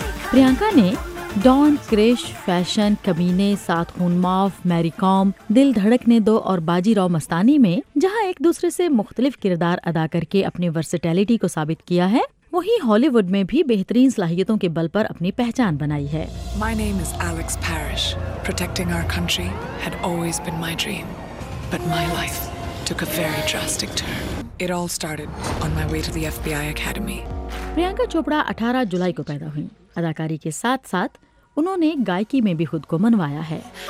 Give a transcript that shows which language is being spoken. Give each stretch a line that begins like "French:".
Urdu: پریانکا نے ڈان کرش، فیشن، کمینے، سات خون معاف، میری کوم، دل دھڑکنے دو اور باجی راؤ مستانی میں جہاں ایک دوسرے سے مختلف کردار ادا کر کے اپنی ورسٹیلیٹی کو ثابت کیا ہے، وہیں ہالی ووڈ میں بھی بہترین صلاحیتوں کے بل پر اپنی پہچان بنائی ہے.
English: My name is Alex Parrish. Protecting our country had always been my dream. But my life took a very drastic turn. It all started on my way to the FBI Academy.
Urdu: Priyanka Chopra 18 جولائی کو پیدا ہوئی. اداکاری کے ساتھ ساتھ انہوں نے گائیکی میں بھی خود کو منوایا ہے.